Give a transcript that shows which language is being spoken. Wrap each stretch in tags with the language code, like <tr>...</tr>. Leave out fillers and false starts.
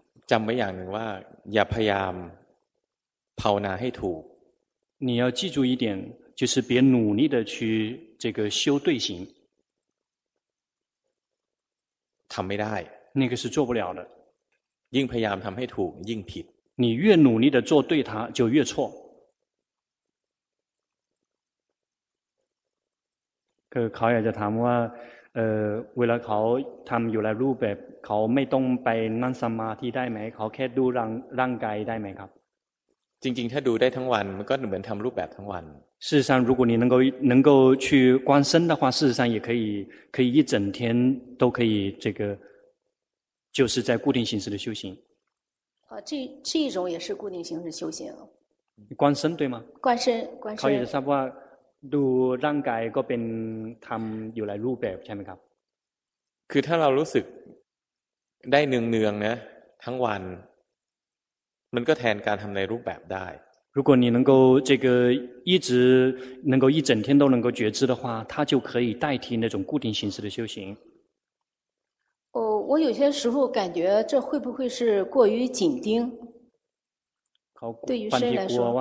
<th>จำไว้อย่างหนึ่งว่าอย่าพยายามภาวนาให้ถูก</th> <zh>你要记住一点，就是别努力的去这个修对行。</zh> <th>ทำไม่ได้</th> <zh>那个是做不了的。</zh> <th>ยิ่งพยายามทำให้ถูกยิ่งผิด</th> <zh>你越努力的做对它，就越错。</zh> <th>เขาอยากจะถามว่าเวลาเขาทำอยู่ในรูปแบบเขาไม่ต้องไปนั่งสมาธิได้ไหมเขาแค่ดูร่างกายได้ไหมครับ จริงๆถ้าดูได้ทั้งวันมันก็เหมือนทำรูปแบบทั้งวัน</th> <zh>事实上如果你能够去观身的话事实上也可以一整天都可以这个就是在固定形式的修行好这一种也是固定形式修行观身对吗观身</zh> <th>เขาอยากจะทราบว่าดูร่างกายก็เป็นทำอยู่หลายรูปแบบใช่ไหมครับ คือถ้าเรารู้สึกได้เนืองๆ นะทั้งวันมันก็แทนการทำในรูปแบบได้</th> <zh>如果你能够这个一直能够一整天都能够觉知的话它就可以代替那种固定形式的修行我有些时候感觉这会不会是过于紧盯对于身来说</zh>